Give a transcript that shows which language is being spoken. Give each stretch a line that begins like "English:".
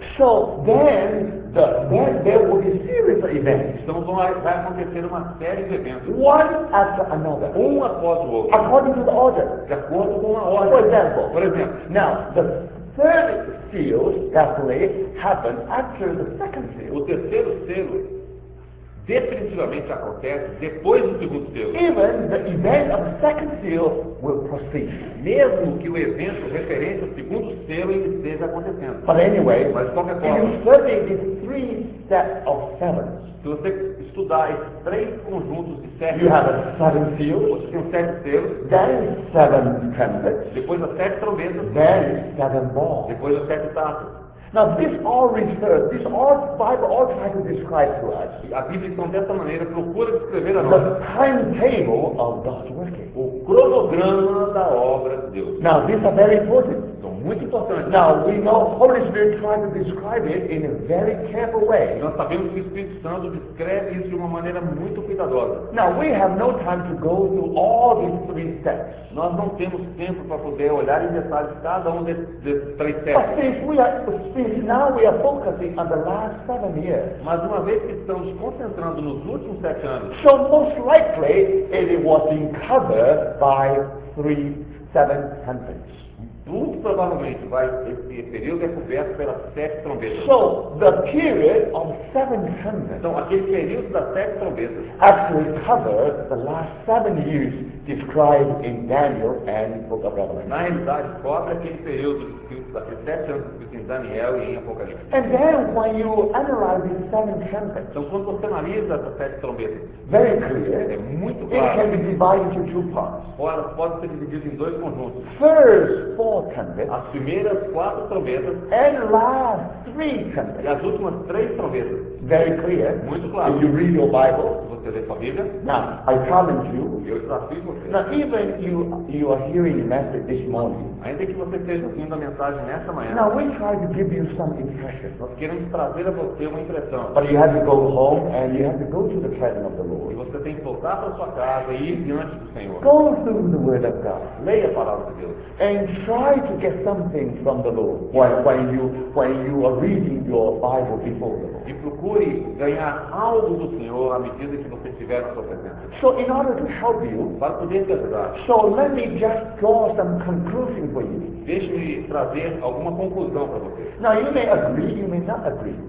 English: So then, there will be a series of events.
Portuguese: Então vai acontecer uma série de eventos.
English: One after another.
Portuguese: Um após o outro.
English: According to the order.
Portuguese: De acordo com a ordem.
English: For example. Now, the third seal definitely happened after the second seal.
Portuguese: O terceiro selo definitivamente acontece depois do segundo selo.
English: Even the event of the second seal will proceed.
Portuguese: Mesmo que o evento referente ao segundo selo ele esteja acontecendo.
English: But anyway,
Portuguese: mas de qualquer forma,
English: if you study these 3 sets of 7s,
Portuguese: se você estudar esses 3 conjuntos de 7,
English: you have a 7 seal,
Portuguese: você tem 7 selos,
English: then 7 trumpets,
Portuguese: depois as 7 trombetas,
English: then 7 balls,
Portuguese: depois as 7 taças.
English: Now this all research, this all Bible all tries to describe to us.
Portuguese: A Bíblia então dessa maneira procura descrever a nós.
English: The timetable of God's working.
Portuguese: O cronograma da obra de Deus.
English: Now these are very important.
Portuguese: São muito importante.
English: Now we know Holy Spirit trying to describe it in a very careful way.
Portuguese: Nós sabemos que o Espírito Santo descreve isso de uma maneira muito cuidadosa.
English: Now we have no time to go through all these three steps.
Portuguese: Nós não temos tempo para poder olhar em detalhes cada um desses três steps.
English: But now we are focusing on the last 7 years.
Portuguese: Mas uma vez que estamos concentrando nos últimos 7 anos,
English: so most likely it was being covered by 7 trumpets.
Portuguese: Muito provavelmente vai esse período é coberto pelas 7 trombetas.
English: So the period of 7 trumpets.
Portuguese: Então aquele período das 7 trombetas
English: actually covers the last 7 years described in Daniel and the Book of Revelation.
Portuguese: Na realidade cobre aquele período daqueles 7 anos escritos em Daniel e em Apocalipse.
English: And then when you analyze these 7 trumpets,
Portuguese: então quando você analisa essas 7 trombetas,
English: very clear,
Portuguese: é muito claro.
English: It can be divided into 2 parts.
Portuguese: Ora, pode ser dividido em 2 conjuntos.
English: First 4 trumpets,
Portuguese: as primeiras 4 trombetas,
English: and last 3 trumpets,
Portuguese: e as últimas 3 trombetas.
English: Very clear,
Portuguese: muito claro.
English: If you read your Bible,
Portuguese: você lê sua Bíblia.
English: Now I challenge you.
Portuguese: Eu desafio você.
English: Now even you are hearing the message this morning.
Portuguese: Ainda que você esteja ouvindo a mensagem nesta manhã.
English: Now we try to give you some impression.
Portuguese: Nós queremos trazer a você uma impressão.
English: But you have to go home and you have to go to the presence of the Lord.
Portuguese: E você tem que voltar para sua casa e ir diante do Senhor.
English: Go through the Word of God.
Portuguese: Leia a palavra de Deus.
English: And try to get something from the Lord when you are reading your Bible before the Lord.
Portuguese: E procure ganhar algo do Senhor à medida que você estiver na sua presença.
English: So in order to help you,
Portuguese: para poder te ajudar.
English: So let me just draw some conclusion for you.
Portuguese: Deixe-me trazer alguma conclusão para você.
English: Now you may agree, you may not agree.